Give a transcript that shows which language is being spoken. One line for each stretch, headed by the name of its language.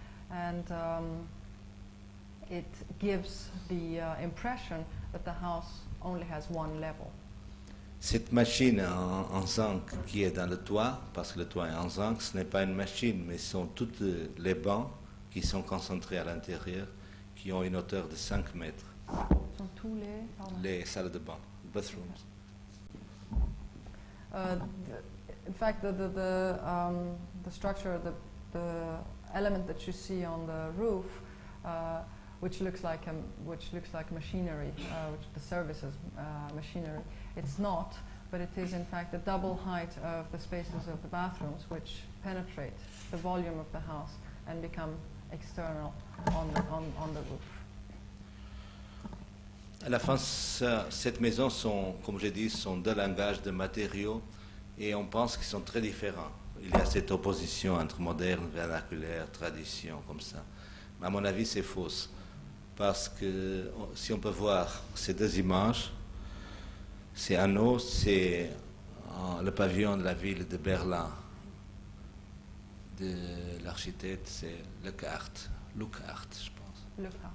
English: And it gives the impression that the house only has one level.
French: Cette machine en zinc qui est dans le toit, parce que le toit est en zinc, ce n'est pas une machine, mais ce sont toutes les bancs qui sont concentrés à l'intérieur, qui ont une hauteur de 5 mètres. Ce sont tous les... Les salles de bain, bathrooms.
English: In fact, the structure, the element that you see on the roof, which looks like machinery, which the services machinery. It's not, but it is in fact the double height of the spaces of the bathrooms, which penetrate the volume of the house and become external on the roof.
French: À la fin, cette maison sont, comme j'ai dit, sont deux langages de matériaux, et on pense qu'ils sont très différents. Il y a cette opposition entre moderne, vernaculaire, tradition, comme ça. Mais à mon avis, c'est faux. Parce que si on peut voir ces deux images, c'est un eau, c'est le pavillon de la ville de Berlin, de l'architecte, c'est Lockhart, je pense.